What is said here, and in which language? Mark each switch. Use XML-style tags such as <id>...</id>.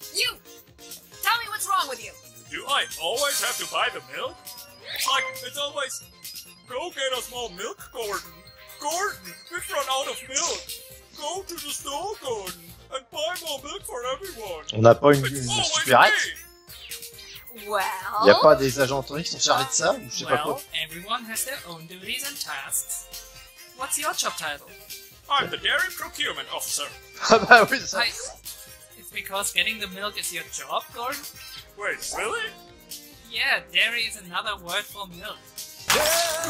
<en>You, tell me what's wrong with you. Do I always have to buy the milk? Like, it's always, go get a small milk, Gordon. Gordon, we've run out of milk. Go to the store, Gordon, and buy more milk for everyone.</en> <fr>On n'a pas une supérette.</fr> <en>Well...</en> <fr>Y'a pas des agents qui sont chargés de ça, ou je sais pas quoi.</fr> <en>Well, everyone has their own duties and tasks. What's your job title? I'm the dairy procurement officer.</en> <fr>Ah bah oui, ça...</fr> <en>It's because getting the milk is your job, Gordon? Wait, really? Yeah, dairy is another word for milk.</en>